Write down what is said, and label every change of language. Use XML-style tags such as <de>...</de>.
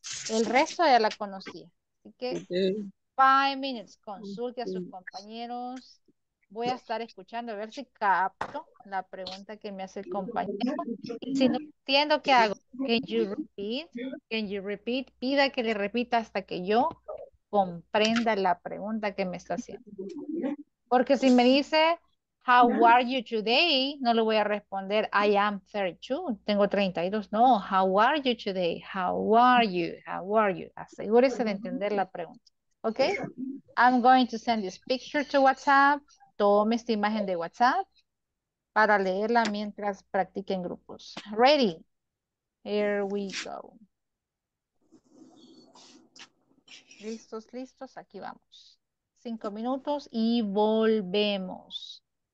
<es>El resto ya la conocía. Así que...</es> <en>Five minutes,</en> <es>consulte a sus compañeros. Voy a estar escuchando a ver si capto la pregunta que me hace el compañero. Si no entiendo, ¿qué hago?</es> <en>Can you repeat? Can you repeat?</en> <es>Pida que le repita hasta que yo comprenda la pregunta que me está haciendo. Porque si me dice,</es> <en>how are you today?</en> <es>No le voy a responder,</es> <en>I am 32.</en> <es>Tengo 32.</es> <en>No, how are you today? How are you? How are you?</en> <es>Asegúrese de entender la pregunta.</es> <en>Okay, I'm going to send this picture to WhatsApp.</en> <es>Tome esta imagen de WhatsApp para leerla mientras practiquen grupos.</es> <en>Ready? Here we go.</en> <es>Listos, listos, aquí vamos. 5 minutos y volvemos.</es>